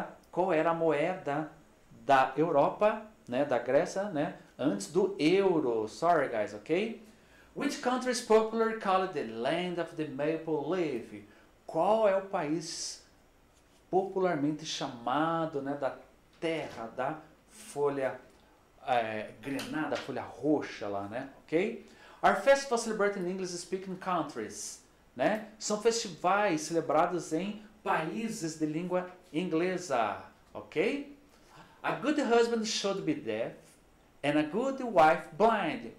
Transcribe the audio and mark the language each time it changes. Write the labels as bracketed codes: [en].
[pt] Qual era a moeda da Europa, né, da Grécia, né, antes do euro? [en] Sorry, guys, ok? Which country is popularly called the land of the maple leaf? [pt] Qual é o país popularmente chamado, né, da terra da folha grenada, folha roxa lá, né, ok? [en] Are festivals celebrated in English-speaking countries? Né? [pt] São festivais celebrados em países de língua inglesa, ok? [en] A good husband should be deaf and a good wife blind.